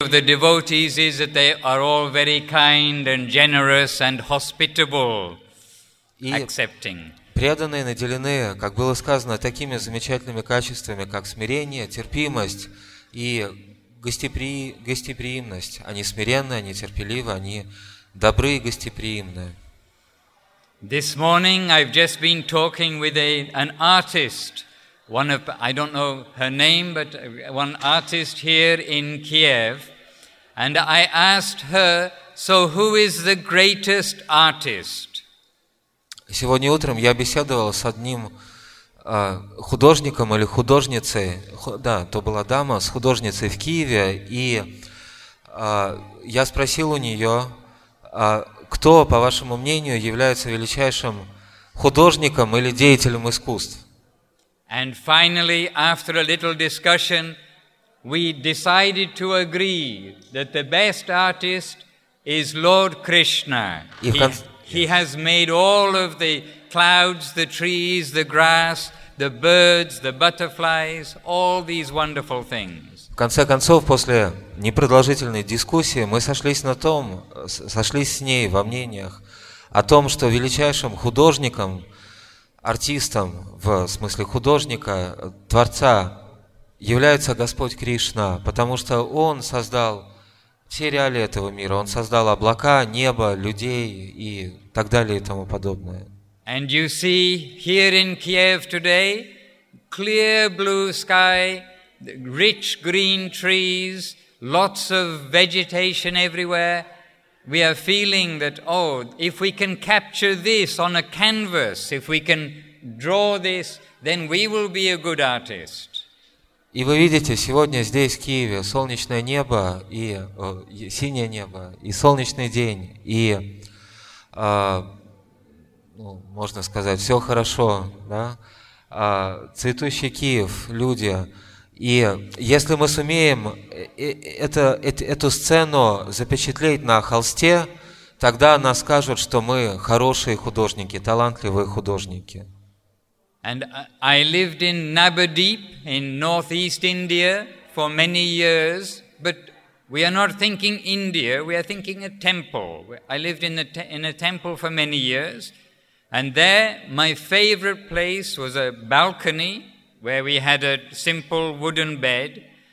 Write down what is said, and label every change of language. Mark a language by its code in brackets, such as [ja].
[en] of the devotees is that they are all very kind and generous and hospitable, accepting. [ru] Преданные наделены, как было сказано, такими замечательными качествами, как смирение, терпимость и гостеприимность. Они смиренны, они терпеливы, они добры и гостеприимны. [en] This morning I've just been talking with an artist. I don't know her name, but one artist here in Kiev. And I asked her, so who is the greatest artist? [ru] Сегодня утром я беседовал с одним художником или художницей, да, то была дама, с художницей в Киеве, и я спросил у нее, кто, по вашему мнению, является величайшим художником или деятелем искусств? [en] And finally, after a little discussion, we decided to agree that the best artist is Lord Krishna. He has made all of the clouds, the trees, the grass, the birds, the butterflies, all these wonderful things. [ru] В конце концов, после непродолжительной дискуссии, мы сошлись с ней во мнениях о том, что величайшим художником, артистом, в смысле художника, творца, является Господь Кришна, потому что Он создал все реалии этого мира. Он создал облака, небо, людей и так далее и тому подобное. [en] And you see here in Kiev today, clear blue sky, rich green trees, lots of vegetation everywhere. We are feeling that, oh, if we can capture this on a canvas, if we can draw this, then we will be a good artist. [ru] И вы видите, сегодня здесь, в Киеве, солнечное небо и синее небо, и солнечный день, и, можно сказать, все хорошо, да? Цветущий Киев, люди. И если мы сумеем эту сцену запечатлеть на холсте, тогда нас скажут, что мы хорошие художники, талантливые художники. [en] And I lived in Nabadeep in northeast India for many years, but we are not thinking India, we are thinking a temple. I lived in a temple for many years, and there my favorite place was a balcony where we had a simple wooden bed.